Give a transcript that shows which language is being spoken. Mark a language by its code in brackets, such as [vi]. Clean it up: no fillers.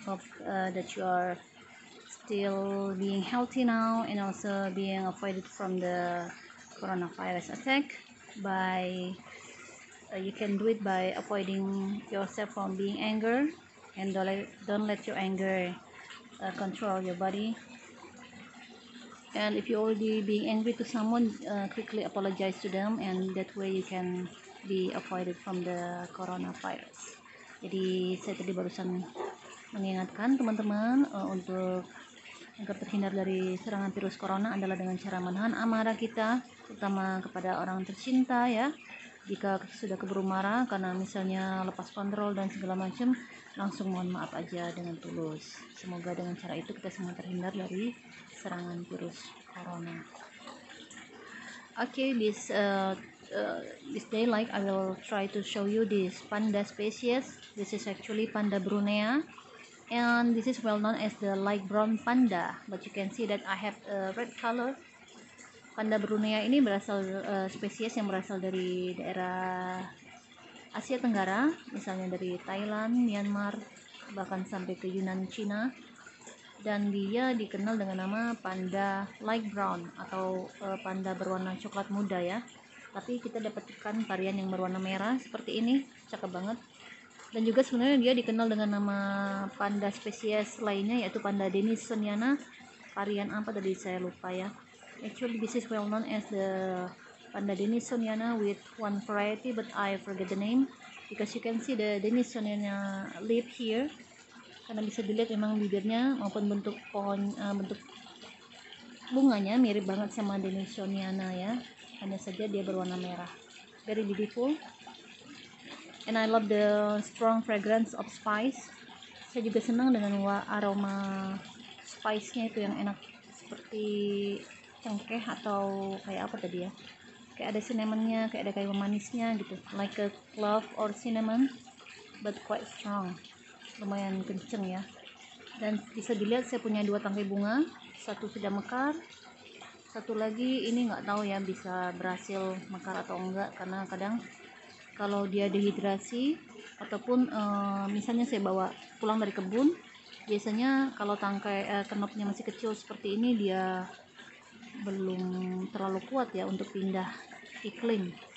[en] Hope that you are still being healthy now and also being avoided from the coronavirus attack by you can do it by avoiding yourself from being anger and don't let your anger control your body. And if you already being angry to someone, quickly apologize to them and that way you can be avoided from the coronavirus. [id] Jadi saya tadi barusan mengingatkan teman-teman untuk agar terhindar dari serangan virus corona adalah dengan cara menahan amarah kita, terutama kepada orang tercinta ya. Jika sudah keburu marah karena misalnya lepas kontrol dan segala macam, langsung mohon maaf aja dengan tulus. Semoga dengan cara itu kita semua terhindar dari serangan virus corona. [en] Okay, this day like I will try to show you this panda species. This is actually panda Brunei, and this is well known as the light brown panda. But you can see that I have a red color. [id] Panda Brunei ini berasal spesies yang berasal dari daerah Asia Tenggara, misalnya dari Thailand, Myanmar, bahkan sampai ke Yunan, China. Dan dia dikenal dengan nama panda light brown atau panda berwarna coklat muda ya. Tapi kita dapatkan varian yang berwarna merah seperti ini, cakep banget. Dan juga sebenarnya dia dikenal dengan nama panda spesies lainnya yaitu panda Denisoniana. Varian apa tadi saya lupa ya. [en] Actually this is well known as the panda Denisoniana with one variety but I forget the name. Because you can see the Denisoniana leaf here. [id] Karena bisa dilihat memang bibirnya maupun bentuk pohon bentuk bunganya mirip banget sama Denisoniana ya. Hanya saja dia berwarna merah. [en] Very beautiful. And I love the strong fragrance of spice. [id] Saya juga senang dengan aroma spice-nya itu yang enak seperti cengkeh atau kayak apa tadi ya. Kayak ada cinnamon-nya, kayak ada kayu manisnya gitu. [en] Like a clove or cinnamon but quite strong. [id] Lumayan kenceng ya. Dan bisa dilihat saya punya 2 tangkai bunga, satu sudah mekar. Satu lagi ini enggak tahu ya bisa berhasil mekar atau enggak karena kadang kalau dia dehidrasi ataupun misalnya saya bawa pulang dari kebun, biasanya kalau tangkai kenopnya masih kecil seperti ini dia belum terlalu kuat ya untuk pindah iklim.